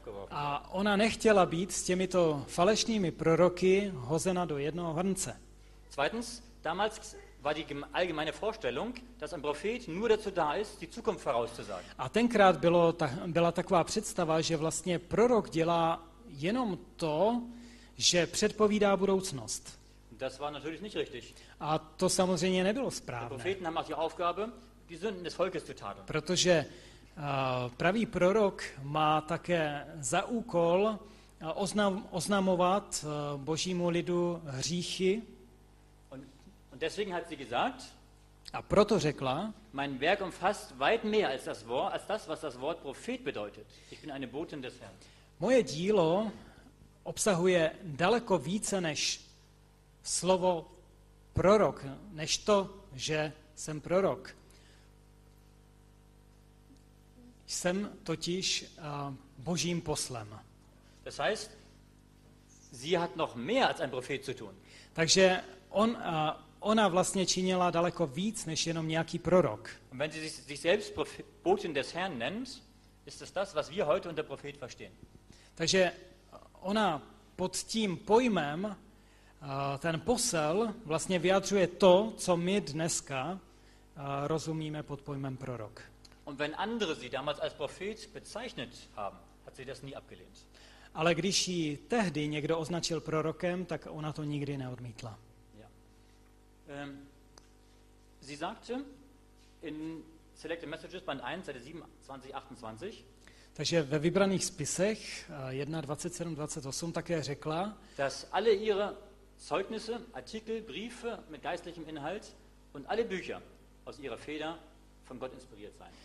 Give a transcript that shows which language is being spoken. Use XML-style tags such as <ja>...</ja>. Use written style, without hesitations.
<cs>A ona nechtěla být s těmito falešnými proroky hozena do jednoho hrnce.</cs> <de>Zweitens, damals war die allgemeine Vorstellung, dass ein Prophet nur dazu da ist, die Zukunft vorauszusagen.</de> <cs>A tenkrát byla taková představa, že vlastně prorok dělá jenom to, že předpovídá budoucnost.</cs> <de>Das war natürlich nicht richtig.</de> <cs>A to samozřejmě nebylo správné.</cs> <de>Propheten haben auch die Aufgabe, die Sünden des Volkes zu tadeln.</de> <cs>Protože pravý prorok má také za úkol oznamovat božímu lidu hříchy.</cs> <de>Und deswegen hat sie gesagt,</de> <cs>a proto řekla,</cs> <de>mein Werk umfasst weit mehr als das Wort, als das, was das Wort Prophet bedeutet. Ich bin eine Botin des Herrn.</de> <cs>Moje dílo obsahuje daleko více než slovo prorok, než to, že jsem prorok. Jsem totiž božím poslem.</cs> <de>Das heißt, sie hat noch mehr als ein Prophet zu tun.</de> <cs>Takže ona vlastně činila daleko víc než jenom nějaký prorok.</cs> <de>Und wenn sie sich selbst Botin des Herrn nennt, ist es das, was wir heute unter Prophet verstehen.</de> <cs>Takže ona pod tím pojmem ten posel vlastně vyjadřuje to, co my dneska rozumíme pod pojmem prorok.</cs> <de>Und wenn andere sie damals als Prophet bezeichnet haben, hat sie das nie abgelehnt.</de> <cs>Ale když ji tehdy někdo označil prorokem, tak ona to nikdy neodmítla.</cs> <de>Ja. Sie sagte in Selected Messages Band 1 Seite 27-28.</de> <cs>Takže ve vybraných spisech 1:27-28 také řekla,</cs> <de>dass alle ihre Zeugnisse, Artikel, Briefe mit geistlichem Inhalt und alle Bücher aus ihrer Feder von Gott inspiriert sein.</de>